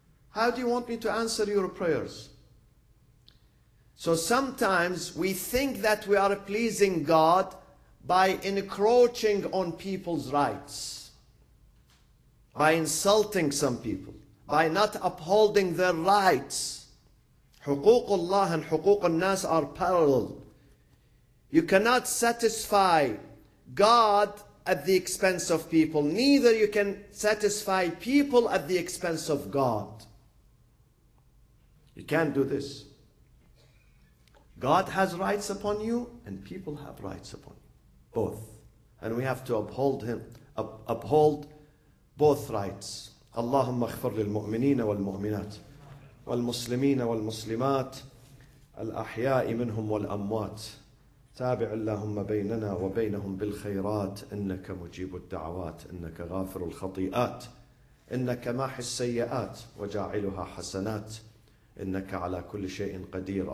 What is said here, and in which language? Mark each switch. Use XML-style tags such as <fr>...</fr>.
<en>How do you want me to answer your prayers? So sometimes we think that we are pleasing God by encroaching on people's rights, by insulting some people, by not upholding their rights. حقوق الله and حقوق الناس are parallel. You cannot satisfy God at the expense of people. Neither you can satisfy people at the expense of God. You can't do this. God has rights upon you and people have rights upon you. Both. And we have to uphold him, uphold both rights. اللهم اغفر للمؤمنين والمؤمنات.</en> <ar>والمسلمين والمسلمات الأحياء منهم والأموات. تابع اللهم بيننا وبينهم بالخيرات، إنك مجيب الدعوات، إنك غافر الخطيئات، إنك ماحي السيئات وجاعلها حسنات، إنك على كل شيء قدير.</ar>